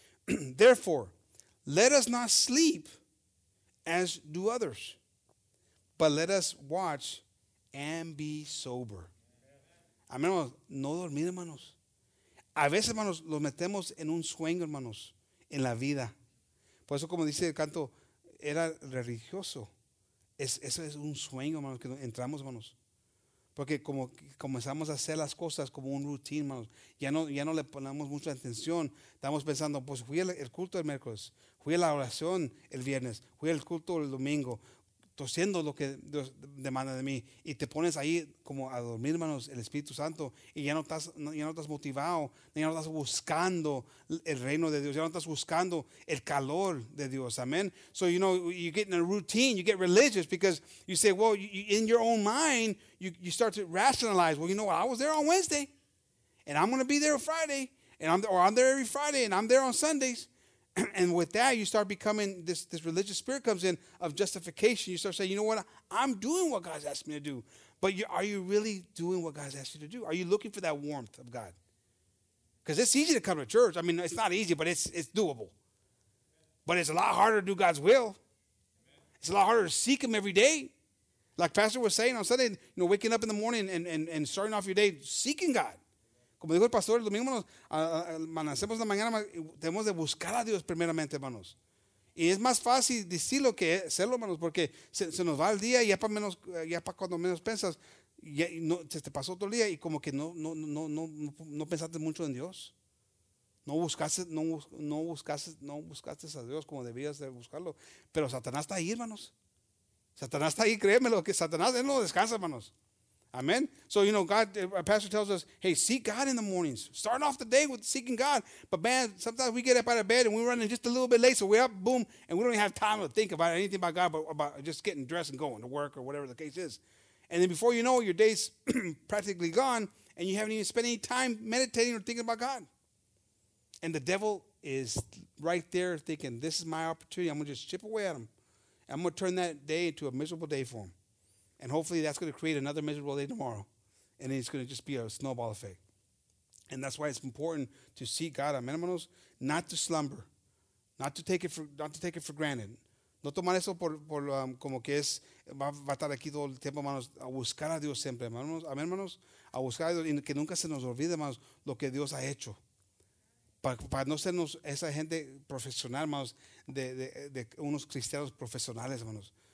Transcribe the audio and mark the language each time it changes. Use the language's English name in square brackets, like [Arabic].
[English] Therefore, let us not sleep as do others, but let us watch and be sober. [Spanish] Amen, hermanos. No dormir, hermanos. A veces, hermanos, los metemos en un sueño, hermanos, en la vida. Por eso, como dice el canto, era religioso. Eso es un sueño, hermanos, que entramos, hermanos. Porque como comenzamos a hacer las cosas como un routine, hermanos, ya no le ponemos mucha atención. Estamos pensando, pues fui al culto el miércoles, fui a la oración el viernes, fui al culto el domingo, tosiendo lo que Dios demanda de mí. Y te pones ahí como a dormir, hermanos, el Espíritu Santo, y ya no estás motivado, ya no estás buscando el reino de Dios, ya no estás buscando el calor de Dios. Amén. [English] So, you know, you get in a routine, you get religious because you say, well, you, in your own mind, you start to rationalize, well, you know what, I was there on Wednesday, and I'm going to be there on Friday, I'm there every Friday, and I'm there on Sundays. And with that, you start becoming, this religious spirit comes in of justification. You start saying, you know what, I'm doing what God's asked me to do. But are you really doing what God's asked you to do? Are you looking for that warmth of God? Because it's easy to come to church. I mean, it's not easy, but it's doable. But it's a lot harder to do God's will. It's a lot harder to seek him every day. Like Pastor was saying on Sunday, you know, waking up in the morning and starting off your day seeking God. [Spanish] Como dijo el pastor, el domingo nos amanecemos la mañana, tenemos de buscar a Dios primeramente, hermanos. Y es más fácil decirlo que hacerlo, hermanos, porque se nos va el día y ya para cuando menos piensas, ya, no, se te pasó otro día y como que no pensaste mucho en Dios. No buscaste a Dios como debías de buscarlo. Pero Satanás está ahí, hermanos. Satanás está ahí, créemelo, que Satanás, él no descansa, hermanos. [English] Amen. So, you know, God, our pastor tells us, hey, seek God in the mornings. Start off the day with seeking God. But man, sometimes we get up out of bed and we're running just a little bit late. So we're up, boom, and we don't even have time to think about anything about God, but about just getting dressed and going to work or whatever the case is. And then before you know it, your day's practically gone and you haven't even spent any time meditating or thinking about God. And the devil is right there thinking, this is my opportunity. I'm going to just chip away at him. And I'm going to turn that day into a miserable day for him. And hopefully that's going to create another miserable day tomorrow. And it's going to just be a snowball effect. And that's why it's important to seek God, amen, hermanos, not to slumber, not to take it for granted. [Spanish] No tomar eso por como que es, va a estar aquí todo el tiempo, hermanos, a buscar a Dios siempre, hermanos, amen, hermanos, a buscar a Dios y que nunca se nos olvide, hermanos, lo que Dios ha hecho. Para no sernos esa gente profesional, hermanos, de unos cristianos profesionales, hermanos.